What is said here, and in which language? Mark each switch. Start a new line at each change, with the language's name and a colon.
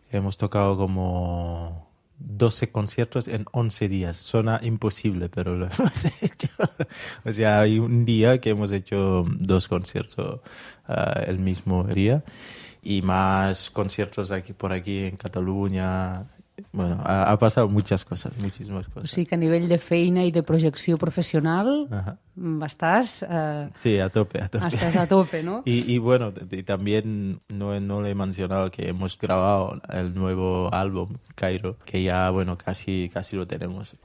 Spanish: Hemos tocado como 12 conciertos en 11 días. Suena imposible, pero lo hemos hecho. O sea, hay un día que hemos hecho 2 conciertos el mismo día. Y más conciertos aquí por aquí en Cataluña. Bueno, ha pasado muchas cosas, muchísimas cosas.
Catalan: O sigui que a nivell de feina i de projecció professional, uh-huh. Estàs... Sí, a tope, a tope. Estàs a tope, no?
Spanish: Y bueno, también no le he mencionado que hemos grabado el nuevo álbum, Cairo, que ya, bueno, casi lo tenemos.